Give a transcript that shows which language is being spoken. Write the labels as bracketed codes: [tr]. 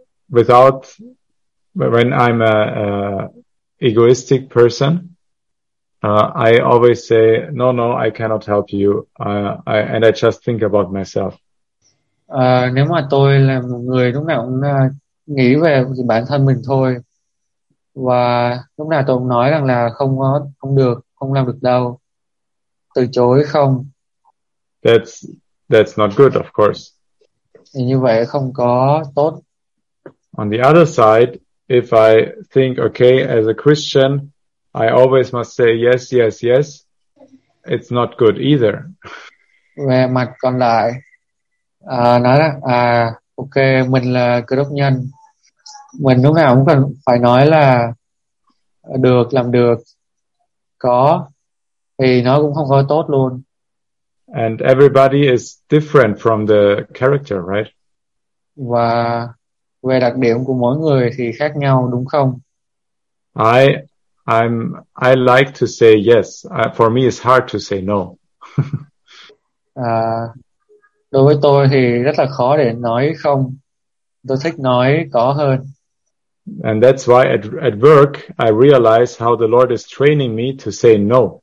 [en] Without, when I'm a egoistic person, I always say, no, no, I cannot help you. And I just think about myself. [vi] Nếu mà tôi là một người lúc nào cũng nghĩ về bản thân mình thôi, và lúc nào tôi cũng nói rằng là không có, không được, không làm được đâu, từ chối không. [en] That's not good, of course. [vi] Như vậy không có tốt. [en] On the other side, if I think, okay, as a Christian, I always must say yes, yes, yes, it's not good either. [vi] Về mặt còn lại, nói là, okay, mình là cơ đốc nhân, mình lúc nào cũng cần phải nói là được, làm được, có, thì nó cũng không có tốt luôn. [en] And everybody is different from the character, right? [vi] Và về đặc điểm của mỗi người thì khác nhau, đúng không? [en] I like to say yes. For me, it's hard to say no. [vi] Đối với tôi thì rất là khó để nói không. Tôi thích nói có hơn. [en] And that's why at work, I realize how the Lord is training me to say no.